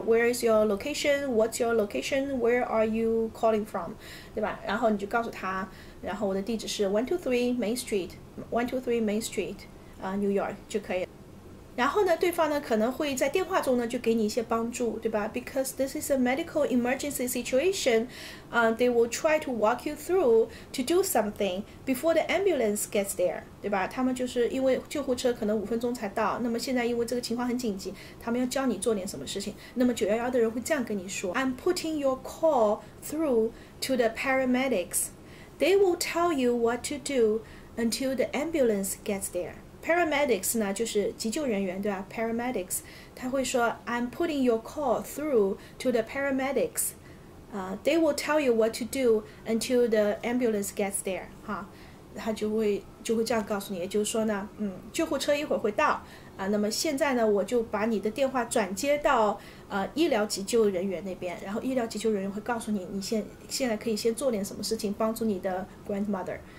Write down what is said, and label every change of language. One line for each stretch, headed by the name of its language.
English: Where is your location？ What's your location？ Where are you calling from？
Chinese: 对吧？然后你就告诉他，然后我的地址是 123 Main Street、New York 就可以了。然后呢，对方呢可能会在电话中呢就给你一些帮助，对吧？
English: Because this is a medical emergency situation、they will try to walk you through to do something before the ambulance gets there，
Chinese: 对吧？他们就是因为救护车可能五分钟才到，那么现在因为这个情况很紧急，他们要教你做点什么事情，那么911的人会这样跟你说，
English: I'm putting your call through to the paramedics。 They will tell you what to do until the ambulance gets there.
Chinese: Paramedics 呢，就是急救人员，对吧？Paramedics， 他会说
English: I'm putting your call through to the paramedics. They will tell you what to do until the ambulance gets there.
Chinese: 哈，他就会这样告诉你，也就是说呢，救护车一会儿会到啊。那么现在呢，我就把你的电话转接到医疗急救人员那边，然后医疗急救人员会告诉你，你现在可以先做点什么事情帮助你的 grandmother。